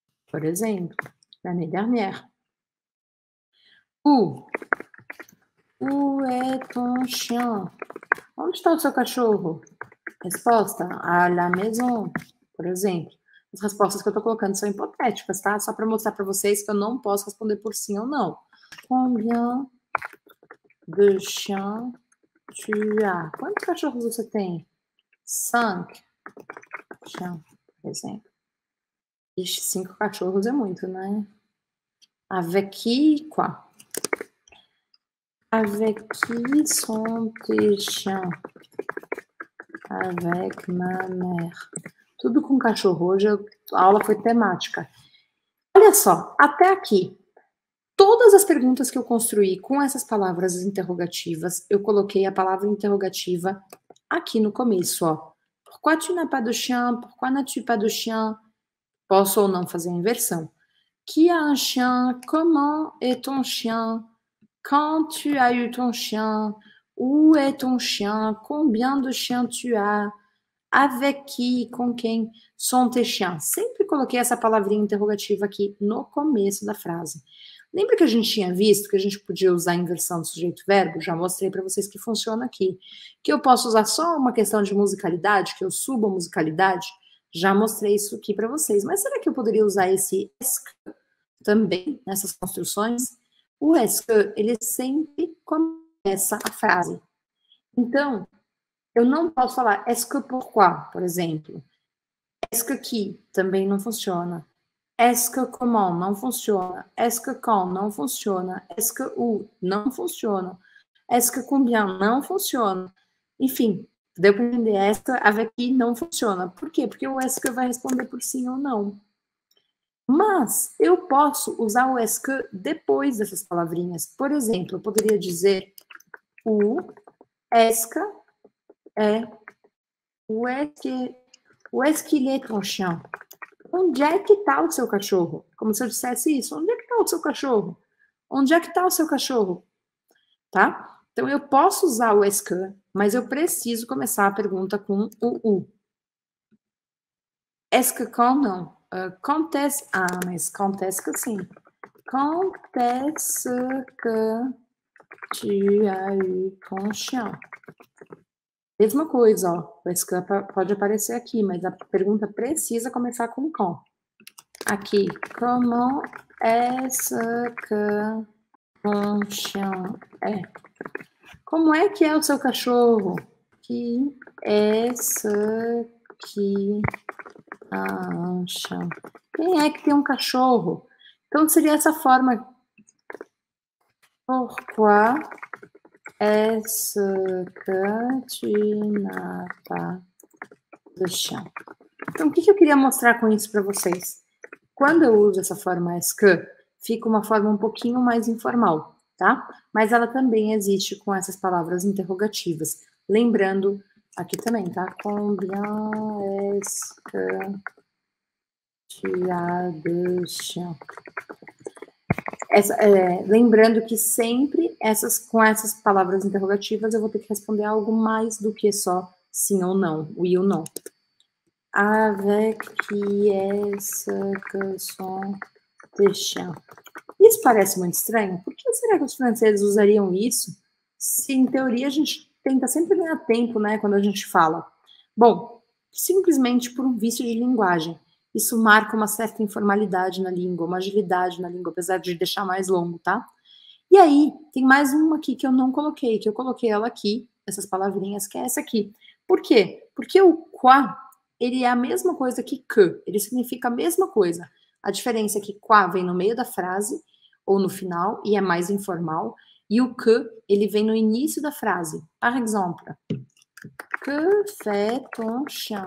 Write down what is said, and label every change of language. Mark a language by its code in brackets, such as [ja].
[pt] Por exemplo, [fr] l'année dernière. Où? é ton chien? [pt] Onde está o seu cachorro? Resposta: [fr] à la maison, [pt] por exemplo. As respostas que eu estou colocando são hipotéticas, tá? Só para mostrar para vocês que eu não posso responder por sim ou não. [fr] Combien de chiens tu as? [pt] Quantos cachorros você tem? [fr] Cinq chiens, [pt] por exemplo. Ixi, cinco cachorros é muito, né? [fr] Avec qui, quoi? Avec qui sont tes chiens? Avec ma mère. [pt] Tudo com cachorro. Hoje a aula foi temática. Olha só, até aqui, todas as perguntas que eu construí com essas palavras interrogativas, eu coloquei a palavra interrogativa aqui no começo, ó. [fr] Pourquoi tu n'as pas de chien? Pourquoi n'as-tu pas de chien? [pt] Posso ou não fazer a inversão. [fr] Qui a un chien? Comment est ton chien? Quand tu as eu ton chien? Où est ton chien? Combien de chiens tu as? Avec qui, [pt] com quem, [fr] sont tes chiens? [pt] Sempre coloquei essa palavrinha interrogativa aqui no começo da frase. Lembra que a gente tinha visto que a gente podia usar a inversão do sujeito-verbo? Já mostrei para vocês que funciona aqui. Que eu posso usar só uma questão de musicalidade, que eu subo a musicalidade? Já mostrei isso aqui para vocês. Mas será que eu poderia usar esse est-ce também nessas construções? O est-ce, ele sempre começa a frase. Então, eu não posso falar est-ce que pourquoi, por exemplo. Est-ce que qui também não funciona. Est-ce que comment não funciona. Est-ce que quand não funciona. Est-ce que où não funciona. Est-ce que combien não funciona. Enfim, deu para entender. [fr] Est-ce avec qui [pt] não funciona. Por quê? Porque o est-ce que vai responder por sim ou não. Mas eu posso usar o est-ce que depois dessas palavrinhas. Por exemplo, eu poderia dizer o est-ce que é [fr] où est-ce qu'il est ton chien? [pt] Onde é que tá o seu cachorro? Como se eu dissesse isso, onde é que tá o seu cachorro? Onde é que tá o seu cachorro? Tá? Então eu posso usar o est-ce que, mas eu preciso começar a pergunta com o u. [fr] Est-ce que quand non? Quand est-ce? Ah, [pt] mas [fr] quand est-ce que [pt] sim. [fr] Quand est-ce que tu as eu ton chien? [pt] Mesma coisa, ó. O escape pode aparecer aqui, mas a pergunta precisa começar com com. Aqui, [fr] comment est-ce que ton chien é? [pt] Como é que é o seu cachorro? [fr] Qui est-ce qui a un chien? [pt] Quem é que tem um cachorro? Então seria essa forma. [fr] Pourquoi est-ce que tu n'as pas de chien? [pt] Então, o que eu queria mostrar com isso para vocês? Quando eu uso essa forma est-ce que, fica uma forma um pouquinho mais informal, tá? Mas ela também existe com essas palavras interrogativas. Lembrando aqui também, tá? [fr] Combien est-ce que tu as de chien? [pt] Lembrando que sempre com essas palavras interrogativas eu vou ter que responder algo mais do que só sim ou não, oui ou não. [fr] Avec qui est-ce que sont tes chiens? [pt] Isso parece muito estranho. Por que será que os franceses usariam isso? Se em teoria a gente tenta sempre ganhar tempo, né, quando a gente fala. Bom, simplesmente por um vício de linguagem. Isso marca uma certa informalidade na língua, uma agilidade na língua, apesar de deixar mais longo, tá? E aí, tem mais uma aqui que eu não coloquei, que eu coloquei ela aqui, essas palavrinhas, que é essa aqui. Por quê? Porque o qua, ele é a mesma coisa que que, ele significa a mesma coisa. A diferença é que qua vem no meio da frase, ou no final, e é mais informal, e o que, ele vem no início da frase. [fr] Par exemple, que fait ton chien?